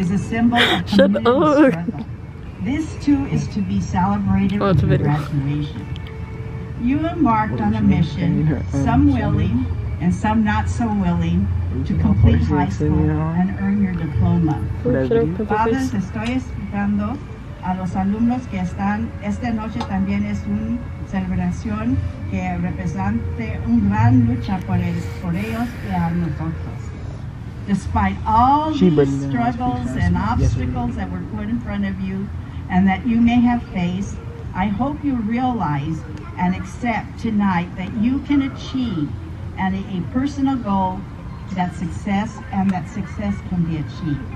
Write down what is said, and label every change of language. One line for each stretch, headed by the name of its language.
English: Is a symbol of shut up. This too is to be celebrated with your graduation. You embarked on a mission, some willing and some not so willing, to complete high school and earn your diploma. Fathers,
Spanish: estoy explicando a los alumnos que están esta noche también es una celebración que representa una gran lucha por ellos y a nosotros.
English: Despite all these struggles and obstacles that were put in front of you and that you may have faced, I hope you realize and accept tonight that you can achieve a personal goal that success and that success can be achieved.